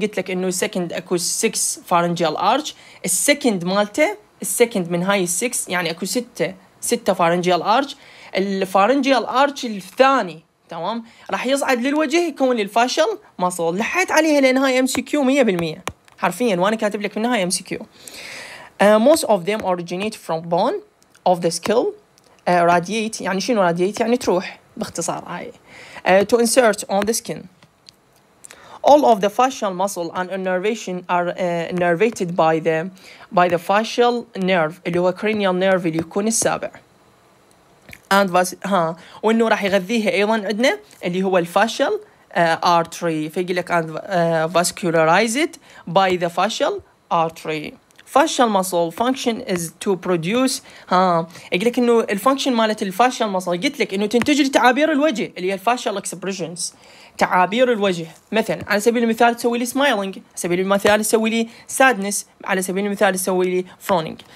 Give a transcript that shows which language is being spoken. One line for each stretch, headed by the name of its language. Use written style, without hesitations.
Arabic: قلت لك انه سكند اكو 6 فارنجيال ارش، السكند مالته السكند من هاي السكس، يعني اكو 6 فارنجيال ارش. الفارنجيال ارش الثاني، تمام، راح يصعد للوجه يكون الفاشل مصل. لحيت عليها لان هاي ام سي كيو 100% حرفيا، وانا كاتب لك منها ام سي كيو.
English: most of them originate from bone of the skull.
Arabic: radiate يعني شنو radiate؟ يعني تروح باختصار هاي.
English: to insert on the skin. All of the fascial muscle and innervation are innervated by the fascial nerve
Arabic: اللي هو
English: cranial nerve
Arabic: اللي يكون السابع.
English: And was
Arabic: ها وإنه راح يغذيها أيضا عندنا اللي هو الفاشل artery. فيجي لك
English: and vascularized by the fascial artery. Fascial muscle function is to produce
Arabic: ها يقول لك إنه الفانكشن مالت الفاشل muscle، قلت لك إنه تنتج تعابير الوجه اللي هي الفاشل expressions، تعابير الوجه. مثلا على سبيل المثال تسوي لي سمايلينج، على سبيل المثال تسوي لي سادنس، على سبيل المثال تسوي لي فرونينج.